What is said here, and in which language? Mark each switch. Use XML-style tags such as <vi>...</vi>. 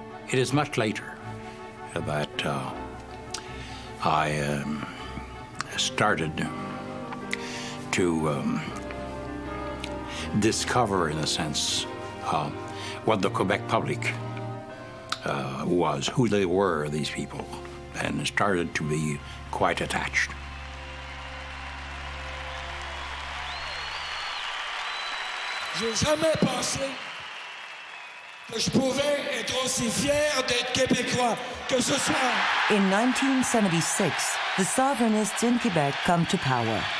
<en>It is much later that I started to discover, in a sense, what the Quebec public was, who they were, these people, and started to be quite attached.</en> <fr>J'ai jamais pensé que je pouvais être aussi fier d'être Québécois que ce soir.</fr> <en>In 1976, the sovereignists in Quebec come to power.</en>